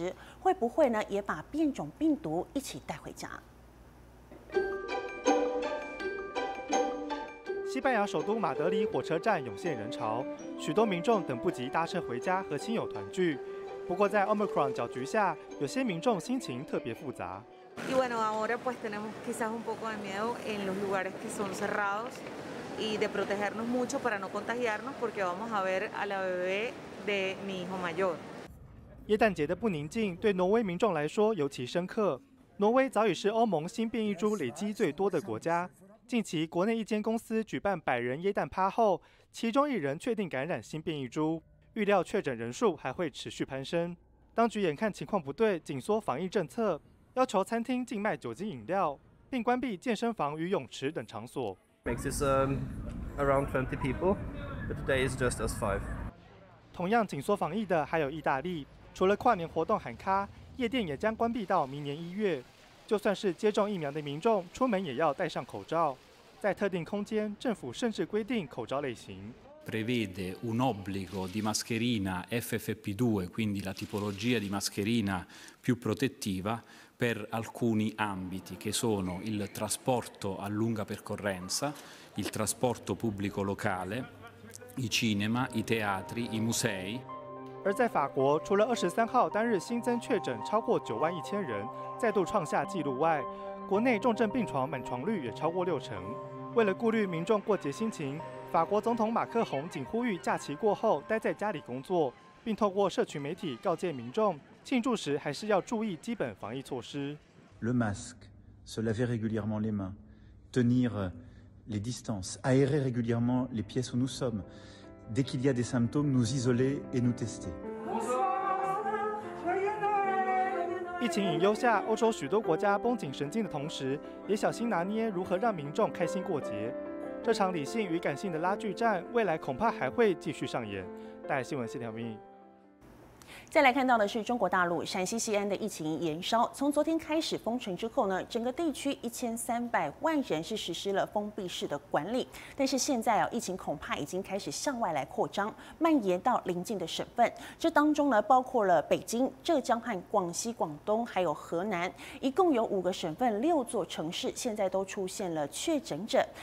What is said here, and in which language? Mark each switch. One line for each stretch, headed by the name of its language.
Chinese: 时，会不会呢也把变种病毒一起带回家？西班牙首都马德里火车站涌现人潮，许多民众等不及搭车回家和亲友团聚。不过在 Omicron 搅局下，有些民众心情特别复杂。
Spanish: Y bueno, ahora pues tenemos quizás un poco de miedo en los lugares que son cerrados y de protegernos mucho para no contagiarnos porque vamos a ver a la bebé de mi hijo mayor.
Chinese: 耶诞节的不宁静对挪威民众来说尤其深刻。挪威早已是欧盟新变异株累积最多的国家。近期国内一间公司举办百人耶诞趴后，其中一人确定感染新变异株，预料确诊人数还会持续攀升。当局眼看情况不对，紧缩防疫政策，要求餐厅禁卖酒精饮料，并关闭健身房与泳池等场所。
English: Makes us around 20 people, but today is just us five.
Chinese: 同样紧缩防疫的还有意大利，除了跨年活动喊卡，夜店也将关闭到明年一月。就算是接种疫苗的民众，出门也要戴上口罩。在特定空间，政府甚至规定口罩类型。
Italian: Prevede un obbligo di mascherina FFP2, quindi la tipologia di mascherina più protettiva per alcuni ambiti che sono il trasporto a lunga percorrenza, il trasporto pubblico locale, i cinema, i teatri, i musei.
Chinese: 而在法国，除了23号单日新增确诊超过91000人，再度创下纪录外，国内重症病床满床率也超过60%。为了顾虑民众过节心情，法国总统马克宏仅呼吁假期过后待在家里工作，并透过社群媒体告诫民众，庆祝时还是要注意基本防疫措施。
French: Le masque, se laver régulièrement les mains, tenir les distances, aérer régulièrement les pièces où nous sommes. Dès qu'il y a des symptômes, nous isoler et nous tester.
Chinese: 疫情隐忧下，欧洲许多国家绷紧神经的同时，也小心拿捏如何让民众开心过节。这场理性与感性的拉锯战，未来恐怕还会继续上演。带来新闻谢条明。再来看到的是中国大陆，陕西西安的疫情延烧，从昨天开始封城之后呢，整个地区1300万人是实施了封闭式的管理，但是现在啊，疫情恐怕已经开始向外来扩张，蔓延到邻近的省份，这当中呢，包括了北京、浙江和广西、广东，还有河南，一共有5个省份、6座城市，现在都出现了确诊者。